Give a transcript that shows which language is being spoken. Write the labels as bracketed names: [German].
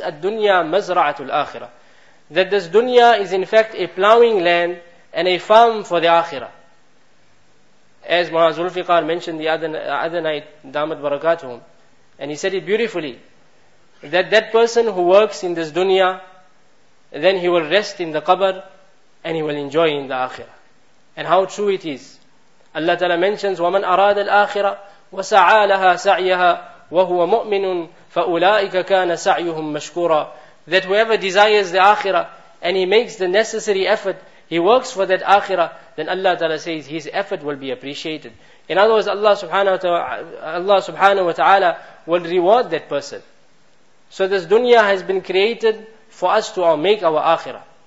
[Arabic] Ad-dunya mazra'atul akhirah. [English] That this dunya is in fact a plowing land and a farm for the akhirah. As Mu'adh Zulfiqar mentioned the other night, Damat Barakatuhum, and he said it beautifully, that that person who works in this dunya, then he will rest in the qabr, and he will enjoy in the akhirah. And how true it is. Allah Ta'ala mentions, [Arabic] وَمَنْ أَرَادَ الْآخِرَةِ وَسَعَى لَهَا سَعْيَهَا وَهُوَ مُؤْمِنٌ فَأُولَٰئِكَ كَانَ سَعْيُهُمْ مَشْكُورًا. [English] That whoever desires the akhirah, and he makes the necessary effort, he works for that akhirah, then Allah Ta'ala says his effort will be appreciated. In other words, Allah subhanahu wa ta'ala will reward that person. So this dunya has been created for us to make our akhirah.